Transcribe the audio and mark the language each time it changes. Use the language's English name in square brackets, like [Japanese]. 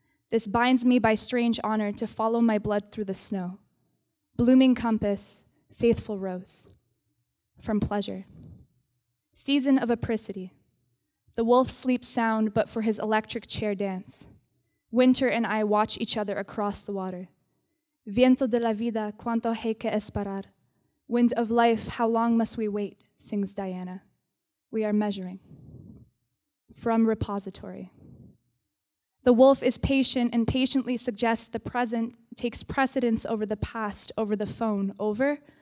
[English] This binds me by strange honor to follow my blood through the snow. Blooming compass, faithful rose. From Pleasure. Season of apricity. The wolf sleeps sound but for his electric chair dance. Winter and I watch each other across the water. [Spanish] Viento de la vida, cuánto hay que esperar. [English] Wind of life, how long must we wait, sings Diana. We are measuring. From Repository. The wolf is patient and patiently suggests the present takes precedence over the past, over the phone, over.